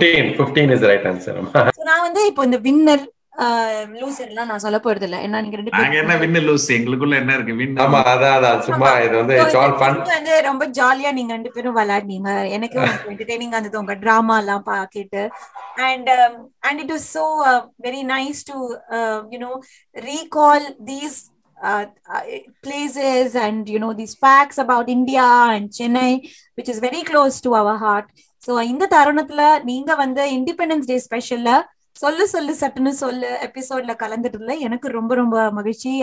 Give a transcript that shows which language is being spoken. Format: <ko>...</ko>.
<en>15 is the right answer.</en> <ta>So நான் வந்து இப்போ இந்த வின்னர் லூசர்லாம் நான் சொல்ல போறது இல்ல. என்ன நீங்க ரெண்டு பேருக்கு என்ன வின்னர் லூஸ் எங்களுக்குள்ள என்ன இருக்கு வின்னர்? ஆமா அதான் சும்மா இது வந்து</ta> <en>It's all fun.</en> <ta>வந்து ரொம்ப ஜாலியா நீங்க ரெண்டு பேரும் விளையாடுவீங்க. எனக்கு ரொம்ப என்டர்டெய்னிங்கா இருந்தது உங்க டிராமா எல்லாம் packet.</ta> <en>And it was so very nice to you know recall these places and you know these facts about India and Chennai which is very close to our heart.</en> <ta>So இந்த தருணத்துல நீங்க வந்து independence day ஸ்பெஷல்ல சொல்லு சொல்லு சட்டுனு சொல்லு எபிசோட்ல கலந்துட்டதுல எனக்கு ரொம்ப ரொம்ப மகிழ்ச்சி.</ta>